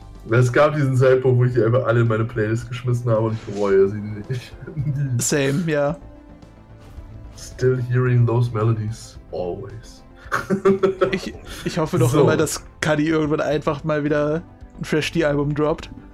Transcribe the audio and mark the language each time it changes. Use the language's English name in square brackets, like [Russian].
[German] Es gab diesen Zeitpunkt, wo ich die einfach alle in meine Playlist geschmissen habe und ich bereue sie nicht. [English] Same, ja. Yeah. Still hearing those melodies, always. [German] Ich hoffe doch immer, dass Cuddy irgendwann einfach mal wieder ein Fresh D-Album droppt.